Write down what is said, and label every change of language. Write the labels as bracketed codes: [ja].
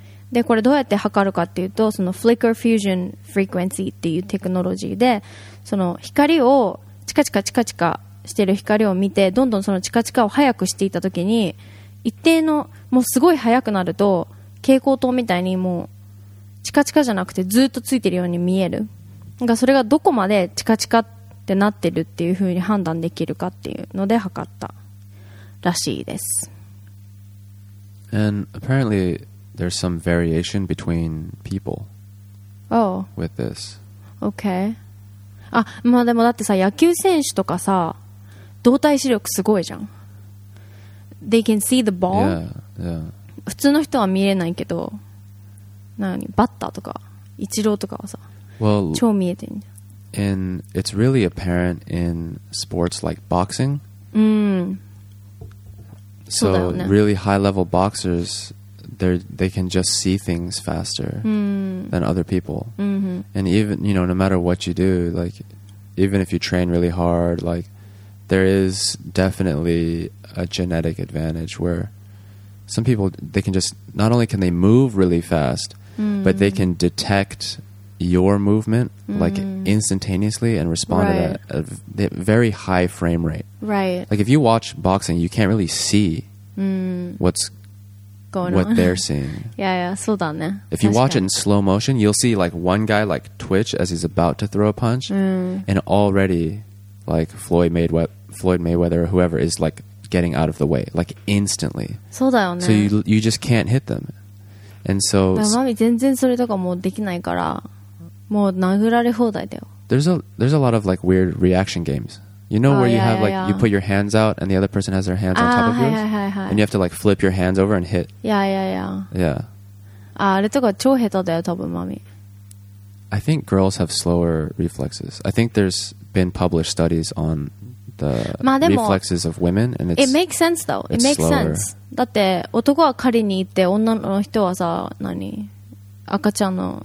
[ja] でこれどうやって測るかっていうとその [en] flicker fusion frequency [ja] っていうテクノロジーでその光をチカチカチカチカしてる光を見てどんどんそのチカチカを速くしていった時に一定のもうすごい速くなると蛍光灯みたいにもうチカチカじゃなくてずっとついてるように見えるなんかそれがどこまでチカチカってなってるっていう風に判断できるかっていうので測ったらしいです [en] And apparently there's some variation between people Oh with this Okay. [ja] あまあでもだってさ野球選手とかさ動体視力すごいじゃん [en] They can see the ball yeah, yeah. [ja] 普通の人は見えないけど何バッターとかイチローとかはさ [en] well, [ja] 超見えてん [en] And it's really apparent in sports like boxing、 mm. So really high level boxers, they can just see things faster than other people. Mm-hmm. And even, you know, no matter what you do, like even if you train really hard, like there is definitely a genetic advantage where some people, they can just, not only can they move really fast, but they can detect your movement like instantaneously and respond to that at a very high frame rate. Right. Like if you watch boxing, you can't really see what's going on, what they're seeing. yeah, so done. If you watch it in slow motion, you'll see like one guy like twitch as he's about to throw a punch, and already like Floyd Mayweather or whoever is like getting out of the way like instantly. [ja] そうだよね。 [en] So you just can't hit them. And so [ja] マミ全然それとかもうできないから、もう殴られ放題だよ。 [en] There's a lot of like weird reaction games. You know where you have you put your hands out and the other person has their hands on top of yours? And you have to like flip your hands over and hit. [ja] Yeah. あれとか超下手だよ多分マミ。 [en] I think girls have slower reflexes. I think there's been published studies onthe reflexes of women, and it makes sense though. It makes sense. [ja] だって男は狩りに行って女の人はさ何赤ちゃんの